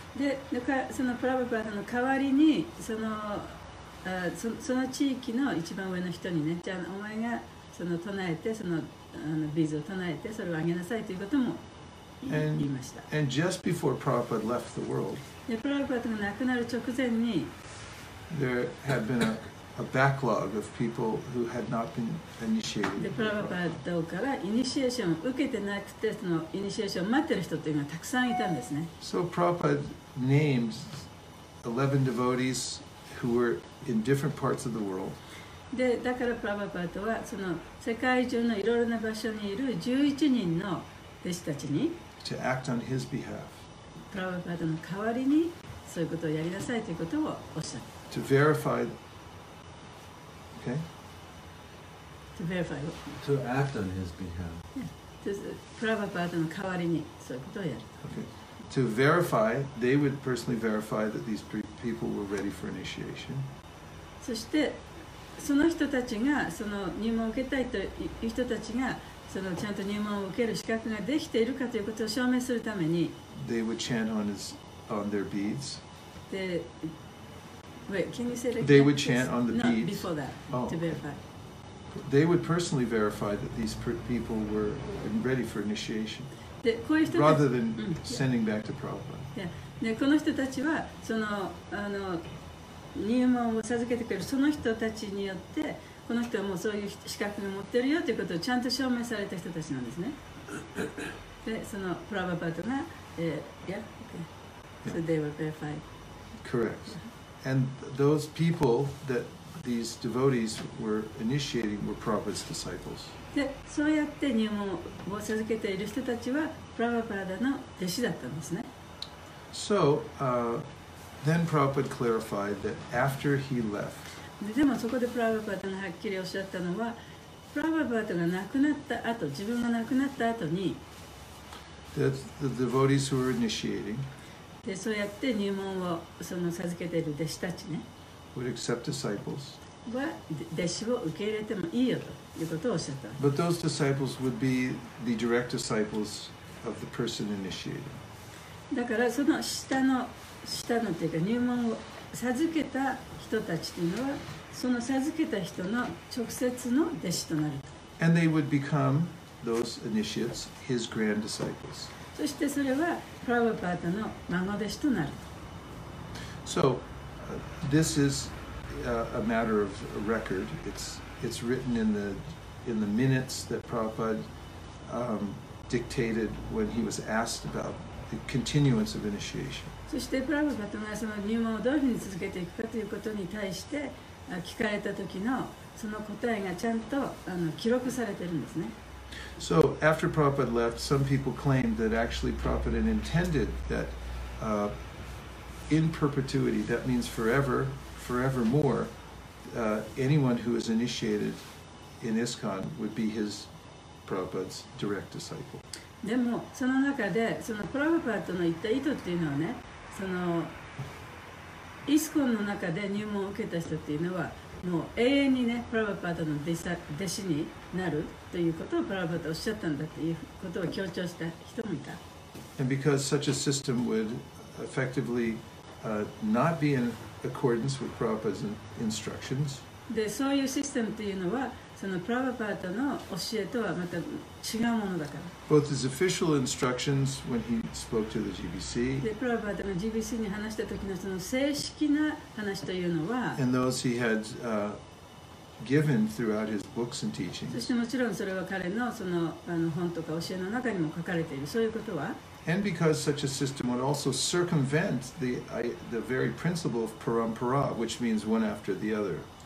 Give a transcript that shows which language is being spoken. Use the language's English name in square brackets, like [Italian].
[Japanese] で、だからそのプラバパーダの代わりにその地域の一番上の人にね、じゃあお前がその唱えてその。 [English] And just before Prabhupada left the world, [Japanese] プラバパーダが亡くなる直前に、 [English] there had been a, a backlog of people who had not been initiated. [Japanese] で、プラバパダからイニシエーションを受けてなくて、そのイニシエーションを待ってる人というのがたくさんいたんですね。 [English] So Prabhupada named 11 devotees who were in different parts of the world. [Japanese] で、だからプラバパダはその世界中のいろいろな場所にいる11人の弟子たちに、 [English] to act on his behalf. [Japanese] プラバパダの代わりにそういうことをやりなさいということをおっしゃった。 [English] To verify Okay. To verify. To act on his behalf. Yeah. To [Japanese] Prabhupada の代わりにそういうことをやる。 [English] Okay. To verify, they would personally verify that these people were ready for initiation. [Japanese] そしてその人たちがその入門を受けたいという人たちがそのちゃんと入門を受ける資格ができているかということを証明するために。 [English] They would chant on his on their beads. で。Wait, can you say that? They would chant on the beads. No, before that, to verify. They would personally verify that these people were ready for initiation. [Japanese] で、こういう人たち、 [English] rather than sending back to Prabhupada. Yeah. [Japanese] で、この人たちは、その、あの、入門を授けてくれるその人たちによって、この人はもうそういう資格を持ってるよということをちゃんと証明された人たちなんですね。で、そのプラバパドが、 [English] Yeah? So they were verified. Correct. And those people that these devotees were initiating were Prabhupada's disciples. [Japanese] で、そうやって入門を授けている人たちはプラバパダの弟子だったんですね。 [English] So, then Prabhupada clarified that after he left. [Japanese] でもそこでプラバパダがはっきりおっしゃったのは、プラバパダが亡くなった後、自分が亡くなった後に、 [English] that the devotees who were initiating. [Japanese] でそうやって入門をその授けている弟子たちね、 [English] would accept disciples. [Japanese] は弟子を受け入れてもいいよということをおっしゃった。 [English] But those disciples would be the direct disciples of the person initiated. [Japanese] だからその下のというか入門を授けた人たちというのはその授けた人の直接の弟子となる。 [English] And they would become those initiates, his grand disciples. [Japanese] そしてそれはプラバパダの孫弟子となる。 [English] So, this is a matter of record. It's written in the minutes that Prabhupada dictated when he was asked about the continuance of initiation. [Japanese] そしてプラバパダがその入門をどういうふうに続けていくかということに対して聞かれた時のその答えがちゃんと記録されているんですね。 [English] So after Prabhupada left, some people claimed that actually Prabhupada had intended that in perpetuity, that means forevermore, anyone who is initiated in ISKCON would be his Prabhupada's direct disciple. [Japanese] でもその中でそのプラバパダの言った意図っていうのはね、そのイスコンの中で入門を受けた人っていうのは。もう永遠にね、プラバパダの弟子になるということをプラバパダおっしゃったんだということを強調した人もいた。 [English] And because such a system would effectively not be in accordance with Prabhupada's instructions. [Japanese] で、そういうシステムというのは、そのプラバパダの教えとはまた違うものだから。 [English] Both his official instructions when he spoke to the GBC. [Japanese] で、プラバパダが GBC に話した時のその正式な話というのは。 [English] And those he had given throughout his books and teachings. [Japanese] そしてもちろんそれは彼のその本とか教えの中にも書かれている。そういうことは。 [English] And because such a system would also circumvent the very principle of parampara, which means one after the other.